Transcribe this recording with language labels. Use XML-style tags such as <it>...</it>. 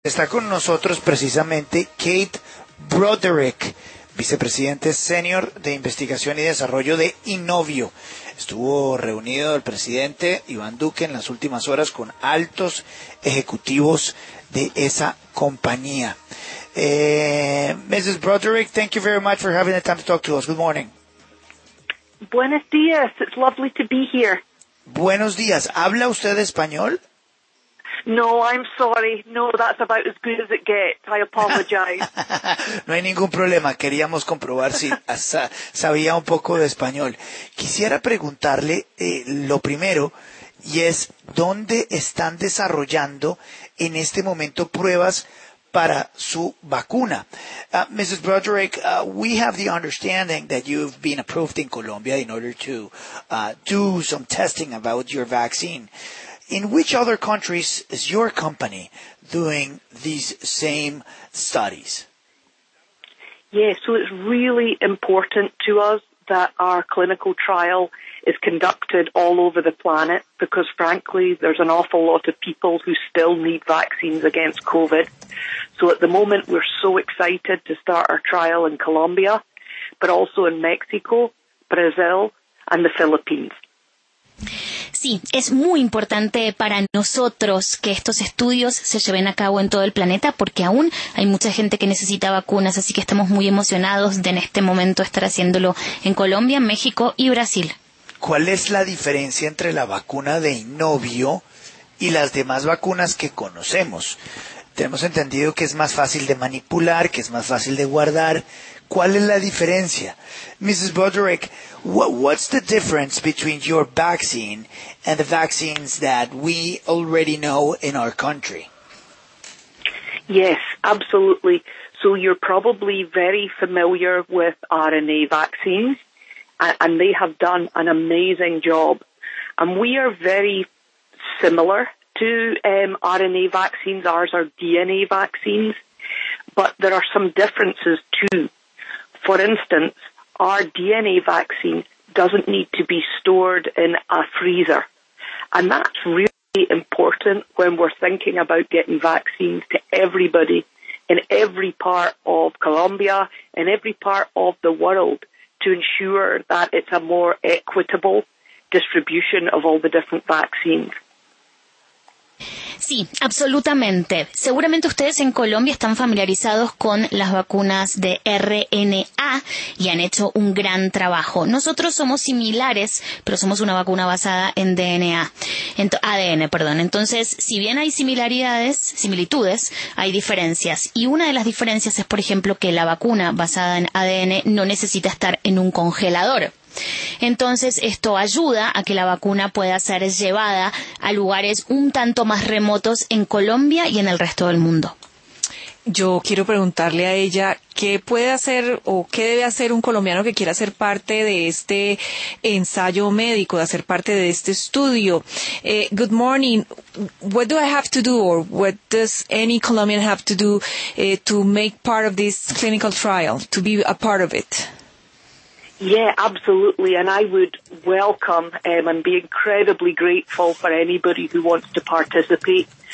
<es>Está con nosotros precisamente Kate Broderick, vicepresidente senior de investigación y desarrollo de Inovio. Estuvo reunido el presidente Iván Duque en las últimas horas con altos ejecutivos de esa compañía.</es> <en>Mrs. Broderick, thank you very much for having the time to talk to us. Good morning.</en> <es>Buenos días.</es> <en>It's lovely to be here.</en> <es>Buenos días. ¿Habla usted español?</es> <en>No, I'm sorry. No, that's about as good as it gets. I apologize.</en> <es>No hay ningún problema. Queríamos comprobar si sabía un poco de español. Quisiera preguntarle lo primero, y es, ¿dónde están desarrollando en este momento pruebas para su vacuna?</es> <en>Mrs. Broderick, we have the understanding that you've been approved in Colombia in order to do some testing about your vaccine. In which other countries is your company doing these same studies? Yes, so it's really important to us that our clinical trial is conducted all over the planet, because frankly, there's an awful lot of people who still need vaccines against COVID. So at the moment, we're so excited to start our trial in Colombia, but also in Mexico, Brazil, and the Philippines.</en> <es>Sí, es muy importante para nosotros que estos estudios se lleven a cabo en todo el planeta, porque aún hay mucha gente que necesita vacunas, así que estamos muy emocionados de en este momento estar haciéndolo en Colombia, México y Brasil. ¿Cuál es la diferencia entre la vacuna de Inovio y las demás vacunas que conocemos? Tenemos entendido que es más fácil de manipular, que es más fácil de guardar. ¿Cuál es la diferencia? Mrs.</es> <en>Broderick, what's the difference between your vaccine and the vaccines that we already know in our country? Yes, absolutely. So you're probably very familiar with RNA vaccines, and they have done an amazing job. And we are very similar to RNA vaccines. Ours are DNA vaccines, but there are some differences too. For instance, our DNA vaccine doesn't need to be stored in a freezer. And that's really important when we're thinking about getting vaccines to everybody in every part of Colombia, in every part of the world, to ensure that it's a more equitable distribution of all the different vaccines.</en> <es>Sí, absolutamente. Seguramente ustedes en Colombia están familiarizados con las vacunas de RNA y han hecho un gran trabajo. Nosotros somos similares, pero somos una vacuna basada en ADN. Entonces, si bien hay similitudes, hay diferencias. Y una de las diferencias es, por ejemplo, que la vacuna basada en ADN no necesita estar en un congelador. Entonces, esto ayuda a que la vacuna pueda ser llevada a lugares un tanto más remotos en Colombia y en el resto del mundo. Yo quiero preguntarle a ella, ¿qué puede hacer o qué debe hacer un colombiano que quiera ser parte de este ensayo médico, de hacer parte de este estudio?</es> <en>Good morning. What do I have to do, or what does any Colombian have to do to make part of this clinical trial, to be a part of it? Yeah, absolutely. And I would welcome and be incredibly grateful for anybody who wants to participate.</en>